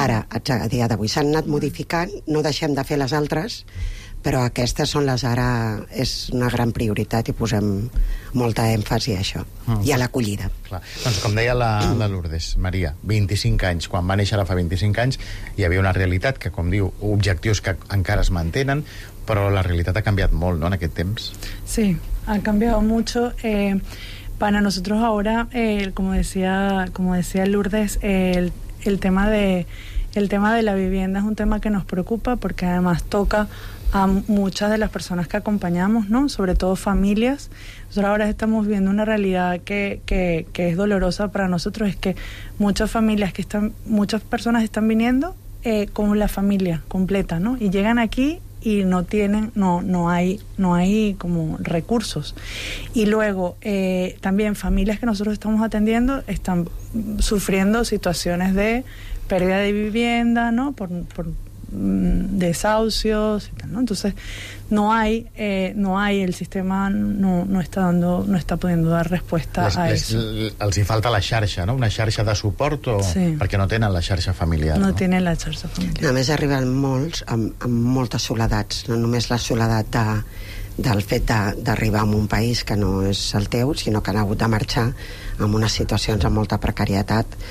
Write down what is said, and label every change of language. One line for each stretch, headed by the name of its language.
Catalan: Ara, a dia d'avui s'han anat modificant, no deixem de fer les altres, però aquestes són les ara, és una gran prioritat i posem molta èmfasi a això. I a l'acollida. Doncs com deia la Lourdes, Maria, 25 anys, quan va néixer ara fa 25 anys, hi havia una realitat que, com diu, objectius que encara es mantenen, però la realitat ha canviat molt, no?, en aquest temps. Sí, ha canviat molt.
Spanish: Para nosotros ahora, como decía Lourdes, el tema de la vivienda es un tema que nos preocupa, porque además toca a muchas de las personas que acompañamos, ¿no?, sobre todo familias. Nosotros ahora estamos viendo una realidad que es dolorosa para nosotros, es que muchas personas están viniendo con la familia completa, ¿no?, y llegan aquí y no hay como recursos. Y luego también familias que nosotros estamos atendiendo están sufriendo situaciones de pérdida de vivienda, ¿no?, por desahucios y tal, ¿no? Entonces no hay el sistema no está pudiendo dar respuesta
Catalan: Els hi falta la xarxa, no? Una xarxa de suport, o sí. Perquè no tenen la xarxa familiar. No tenen la xarxa familiar. A més, arriben molts amb moltes soledats, no només la soledat del fet d'arribar a un país que no és el teu, sinó que han hagut de marxar amb unes situacions amb molta precarietat.